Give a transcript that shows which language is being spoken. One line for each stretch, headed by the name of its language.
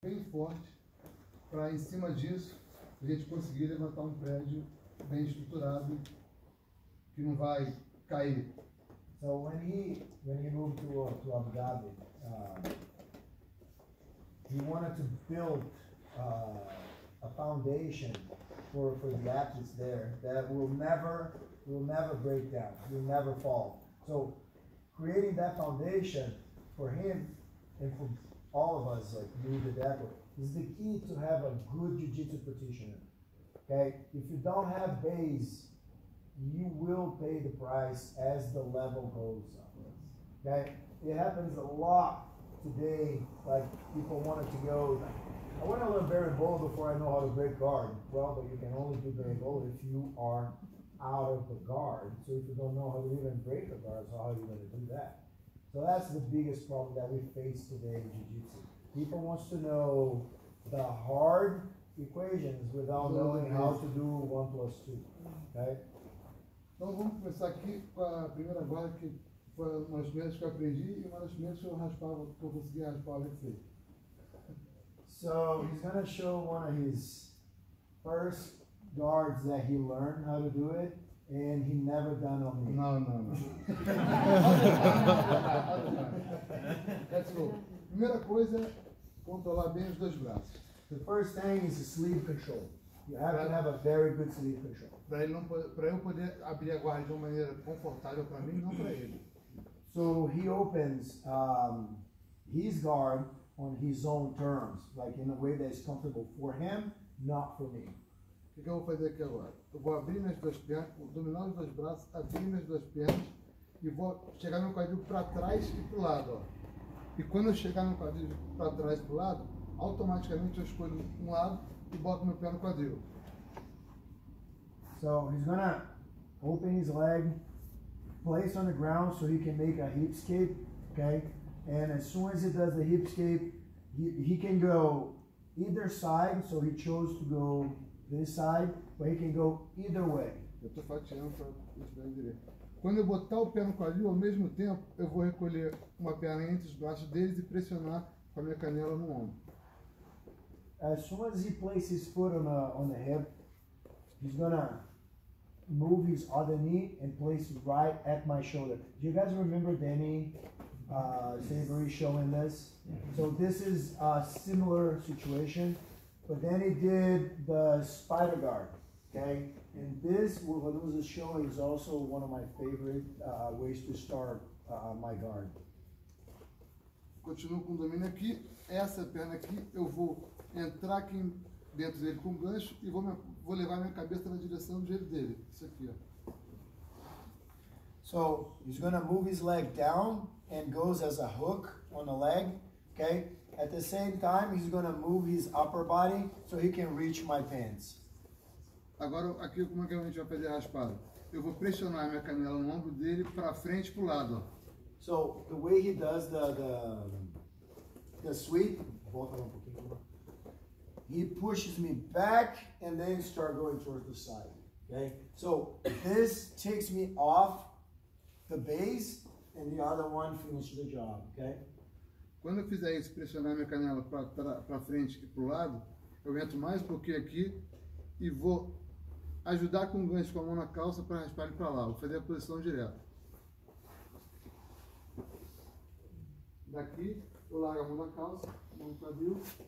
Portuguese: bem forte para, em cima disso, a gente conseguir levantar um prédio bem estruturado que não vai cair.
English: So when he moved to Abu Dhabi, he wanted to build a foundation for the athletes there that will never break down, will never fall. So creating that foundation for him and for all of us, like me, the devil, is the key to have a good jiu-jitsu practitioner. Okay? If you don't have base, you will pay the price as the level goes up. Okay? It happens a lot today, like people wanted to go, like, I want to learn Barry Bold before I know how to break guard. Well, but you can only do Barry Bold if you are out of the guard. So if you don't know how to even break a guard, so how are you going to do that? So that's the biggest problem that we face today in jiu-jitsu. People want to know the hard equations without
Portuguese: Então,
English: knowing how to do one plus two. Okay?
Portuguese: vamos começar aqui com a primeira guarda, que foi uma das primeiras que eu aprendi e uma das primeiras que eu raspava, que eu conseguia raspar o Alexei.
English: So he's gonna show one of his first guards that he learned how to do it, and he never done on me.
Portuguese: Não, não, não.
English: Let's go.
Portuguese: Primeira coisa, controlar bem os dois braços.
English: The first thing is sleeve control. You have to have a very good sleeve control.
Portuguese: Para eu poder abrir a guarda de uma maneira confortável para mim, não para ele.
English: So he opens his guard on his own terms, like in a way that is comfortable for him, not for me.
Portuguese: O que eu vou fazer aqui agora? Eu vou abrir minhas duas pernas, vou dominar os dois braços, abrir minhas duas pernas e vou chegar meu quadril para trás e para o lado, ó. E quando eu chegar meu quadril para trás e para o lado, automaticamente eu escolho um lado e boto meu pé no quadril.
English: So he's gonna open his leg, place on the ground so he can make a hip escape, okay? And as soon as he does the hip escape, he can go either side, so he chose to go this side, but he can go either way.
Portuguese: Eu estou fatiando para isso bem direito. Quando eu botar o pé no quadril, ao mesmo tempo, eu vou recolher uma perna entre os braços deles e pressionar com a minha canela no ombro.
English: As soon as he places his foot on the hip, he's gonna move his other knee and place it right at my shoulder. Do you guys remember Danny? Savory showing this. So this is a similar situation, but then he did the spider guard, okay? And this, what was the show, is also one of my favorite ways to start my guard.
Portuguese: Continuo com o domínio aqui, essa perna aqui eu vou entrar aqui dentro dele com o gancho e vou levar minha cabeça na direção do joelho dele. Isso aqui, ó.
English: So he's gonna move his leg down and goes as a hook on the leg, okay? At the same time, he's gonna move his upper body so he can reach my pants.
Portuguese: Agora aqui, como é que a gente vai fazer a raspada? Eu vou pressionar minha canela no ombro dele para frente e pro lado, ó.
English: So the way he does the sweep,
Portuguese: volta um pouquinho.
English: He pushes me back and then start going towards the side, okay? So this takes me off the base and the other one finishes the job, okay?
Portuguese: Quando eu fizer isso, pressionar minha canela para frente e para o lado, eu entro mais um pouquinho aqui e vou ajudar com o gancho com a mão na calça para raspar ele para lá. Vou fazer a posição direta. Daqui, eu largo a mão na calça, mão no quadril.